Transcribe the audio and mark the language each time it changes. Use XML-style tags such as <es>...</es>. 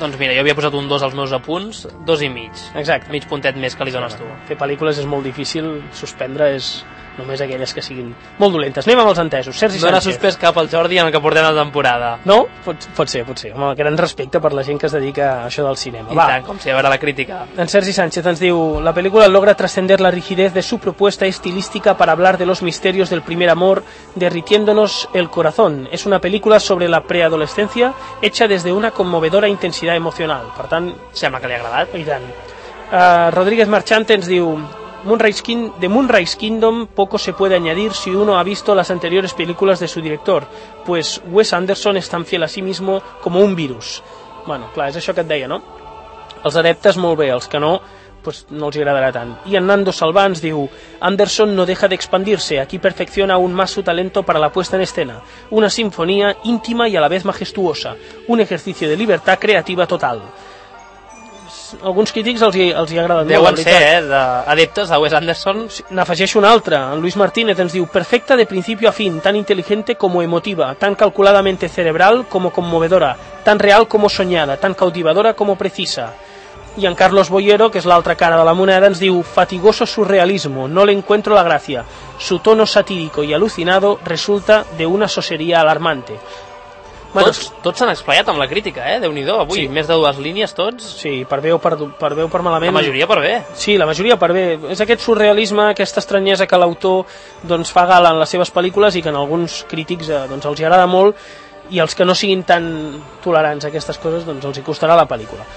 <ca>Doncs mira, jo havia posat un 2 als meus apunts, 2,5. Exacte. Mig puntet més que li dones tu. Fer pel·lícules és molt difícil, suspendre és només aquelles que siguin molt dolentes. Anem amb els entesos. Sergi Sánchez. No n'ha suspès cap al Jordi en el que portem la temporada. No? Pot ser. Home, gran respecte per la gent que es dedica a això del cinema. I tant, com si hi haurà la crítica.</ca> <es>En Sergi Sánchez</es> <ca>ens diu:</ca> <es>la pel·lícula logra trascender la rigidez de su propuesta estilística para hablar de los misterios del primer amor, derritiéndonos el corazón. Es una pel·lícula sobre la preadolescencia hecha desde una conmovedora intensidad emocional.</es> <ca>Per tant... Sembla que li ha agradat. I tant.</ca> <es>Rodríguez Marchante</es> <ca>ens diu:</ca> <es>de Moonrise Kingdom poco se puede añadir si uno ha visto las anteriores películas de su director, pues Wes Anderson es tan fiel a sí mismo como un virus.</es> <ca>Bueno, clar, és això que et deia, no? Els adeptes, molt bé, els que no, pues no els agradarà tant.</ca> <es>I en Nando Salvans diu: Anderson no deja de expandirse, aquí perfecciona aún más su talento para la puesta en escena, una sinfonía íntima y a la vez majestuosa, un ejercicio de libertad creativa total.</es> <ca>Alguns crítics els hi agraden. Deuen ser, d'adeptes a Wes Anderson. N'afegeixo un altre.</ca> <es>En Luis Martínez</es> <ca>ens diu:</ca> <es>perfecta de principio a fin, tan inteligente como emotiva, tan calculadamente cerebral como conmovedora, tan real como soñada, tan cautivadora como precisa.</es> <ca>I en Carlos Boyero, que és l'altra cara de la moneda, ens diu:</ca> <es>fatigoso surrealismo, no le encuentro la gracia, su tono satírico y alucinado resulta de una sosería alarmante.</es> <ca>Tots s'han esplaiat amb la crítica, eh? Déu-n'hi-do, avui, sí. Més de dues línies tots. Sí, per bé o per malament. La majoria per bé. Sí, la majoria per bé. És aquest surrealisme, aquesta estranyesa que l'autor doncs fa gala en les seves pel·lícules i que en alguns crítics doncs els hi agrada molt, i els que no siguin tan tolerants a aquestes coses doncs els hi costarà la pel·lícula.</ca>